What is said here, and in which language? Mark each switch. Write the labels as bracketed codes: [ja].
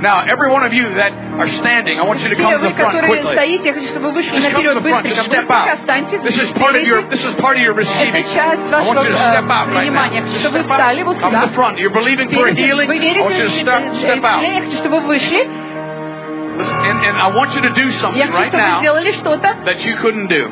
[en] Now, every one of you that are standing, I want you to come to the front quickly. [ru] Все вы, которые стоите, я хочу, чтобы вы вышли наперед быстренько. [en] Just step out. This is part of your receiving. [ru] Это часть вашего принимания. Чтобы вы встали вот сюда. [en] Step out right now. Come to the front. You're believing for healing. [ru] Вы верите, [en] I want you to step out. [ru] Я хочу, чтобы вы вышли. [en] And I want you to do something right now that you couldn't do.